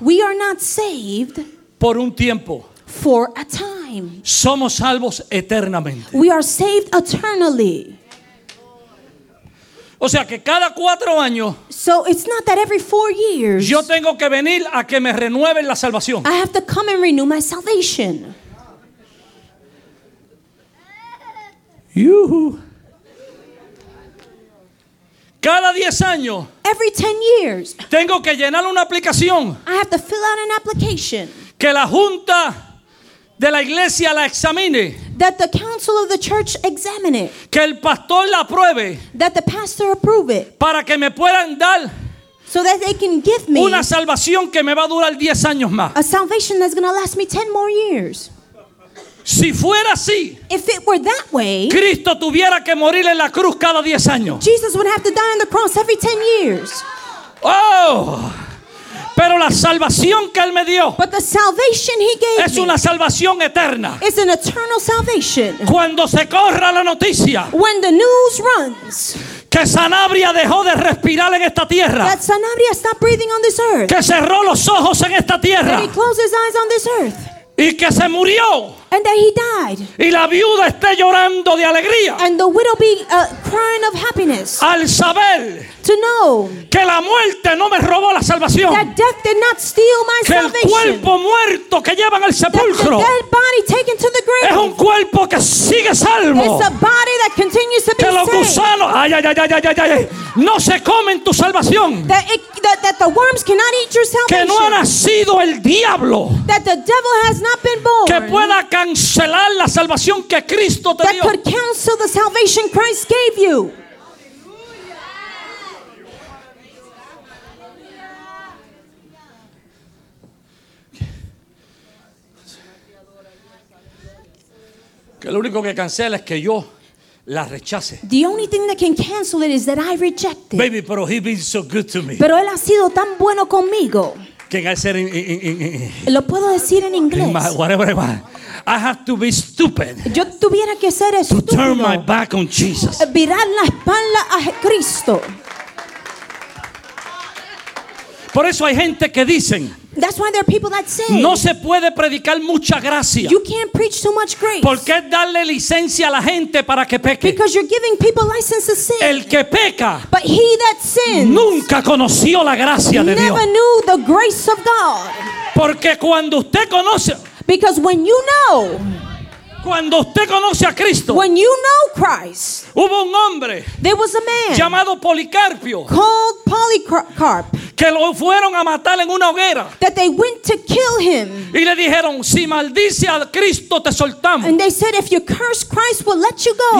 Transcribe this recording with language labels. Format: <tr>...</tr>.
<en>We are not saved</en> <es>por un tiempo.</es> <en>For a time.</en> <es>Somos salvos eternamente.</es> <en>We are saved eternally.</en> <es>O sea que cada cuatro años,</es> <en>so it's not that every 4 years,</en> <es>yo tengo que venir a que me renueven la salvación.</es> <en>I have to come and renew my salvation. Yuhu.</en> <es>Cada 10 años.</es> <en>Every 10 years.</en> <es>Tengo que llenar una aplicación.</es> <en>I have to fill out an application.</en> <es>Que la junta de la iglesia la examine.</es> <en>That the council of the church examine it.</en> <es>Que el pastor la apruebe.</es> <en>That the pastor approve it.</en> <es>Para que me puedan dar.</es> <en>So that they can give me.</en> <es>Una salvación que me va a durar 10 años más.</es> <en>A salvation that's going to last me 10 more years.</en> <es>Si fuera así,</es> <en>if it were that way,</en> <es>Cristo tuviera que morir en la cruz cada 10 años.</es> <en>Jesus would have to die on the cross every 10 years.</en> <es>Oh, pero la salvación que él me dio,</es> <en>but the salvation he gave</en> <es>es una salvación eterna.</es> <en>Is an eternal salvation.</en> <es>Cuando se corra la noticia,</es> <en>when the news runs,</en> <es>que Sanabria dejó de respirar en esta tierra,</es> <en>that Sanabria stopped breathing on this earth,</en> <es>que cerró los ojos en esta tierra,</es> <en>that he closed his eyes on this earth,</en> <es>y que se murió,</es> <en>and that he died,</en> <es>y la viuda esté llorando de alegría,</es> <en>and the widow be crying of happiness,</en> <es>al saber,</es> <en>to know,</en> <es>que la muerte no me robó la salvación,</es> <en>that death did not steal my</en> <es>que</es> <en>salvation,</en> <es>el cuerpo muerto que llevan al sepulcro,</es> <en>that the dead body taken to the grave,</en> <es>es un cuerpo que sigue salvo,</es> <en>it's a body that continues to be saved,</en> <es>que los gusanos, ay, ay, ay, ay, ay, ay, ay, no se comen tu salvación,</es> <en>that, it, that, that the worms cannot eat your salvation,</en> <es>que no ha nacido el diablo,</es> <en>that the devil has not been born,</en> <es>que pueda cancelar la salvación que Cristo te</es> <en>that</en> <es>dio.</es> <en>Could cancel the salvation Christ gave you.</en> <es>Que lo único que cancela es que yo la rechace.</es> <en>The only thing that can cancel it is that I reject it. Baby, pero he's been so good to me.</en> <es>Pero él ha sido tan bueno conmigo. Que al ser lo puedo decir en inglés.</es> <en>Whatever, whatever. I have to be stupid.</en> <es>Yo tuviera que ser estúpido.</es> <en>To turn my back on Jesus.</en> <es>Virar la espalda a Cristo. Por eso hay gente que dicen.</es> <en>That's why there are people that say.</en> <es>No se puede predicar mucha gracia.</es> <en>You can't preach too much grace.</en> <es>Porque es darle licencia a la gente para que peque.</es> <en>Because you're giving people license to sin.</en> <es>El que peca.</es> <en>But he that sins.</en> <es>Nunca conoció la gracia de Dios.</es> <en>Never knew the grace of God.</en> <es>Porque cuando usted conoce.</es> <en>Because when you know,</en> <es>cuando usted conoce a Cristo,</es> <en>when you know Christ,</en> <es>hubo un hombre,</es> <en>there was a man</en> <es>llamado Policarpio,</es> <en>called Polycarp,</en> <es>que lo fueron a matar en una hoguera,</es> <en>that they went to kill him,</en> <es>y le dijeron, si maldice a Cristo te soltamos,</es> <en>and they said, if you curse Christ, we'll let you go.</en>